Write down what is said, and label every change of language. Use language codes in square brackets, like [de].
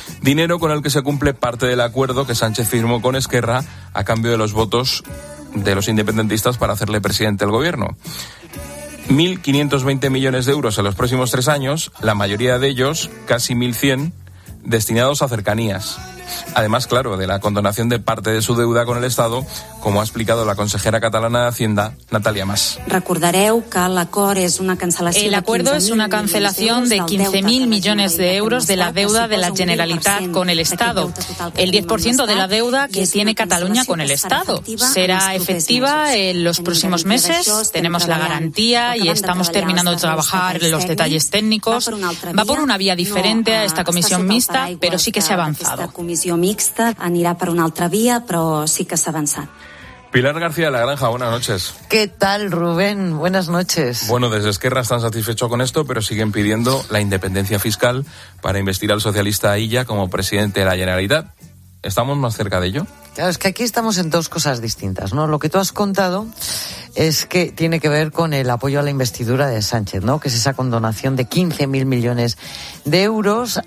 [es] Dinero con el que se cumple parte del acuerdo que Sánchez firmó con Esquerra a cambio de los votos de los independentistas para hacerle presidente del gobierno. 1.520 millones de euros en los próximos tres años, la mayoría de ellos, casi 1.100, destinados a cercanías. Además, claro, de la condonación de parte de su deuda con el Estado, como ha explicado la consejera catalana de Hacienda, Natalia Mas. [ca] Recordareu que l'acord és una cancel·lació. [es] El acuerdo es una cancelación de 15.000 millones de euros de la deuda de la Generalitat con el Estado. El 10% de la deuda que tiene Cataluña con el Estado será efectiva en los próximos meses. Tenemos la garantía y estamos terminando de trabajar los detalles técnicos. Va por una vía diferente a esta comisión mixta, pero sí que se ha avanzado. [ca] Comissió mixta anirà per una altra via, però sí que s'ha avançat. [es] Pilar García de la Granja, buenas noches. ¿Qué tal, Rubén? Buenas noches. Bueno, desde Esquerra están satisfechos con esto, pero siguen pidiendo la independencia fiscal para investir al socialista Illa como presidente de la Generalitat. ¿Estamos más cerca de ello? Claro, es que aquí estamos en dos cosas distintas, ¿no? Lo que tú has contado es que tiene que ver con el apoyo a la investidura de Sánchez, ¿no? Que es esa condonación de 15.000 millones de euros.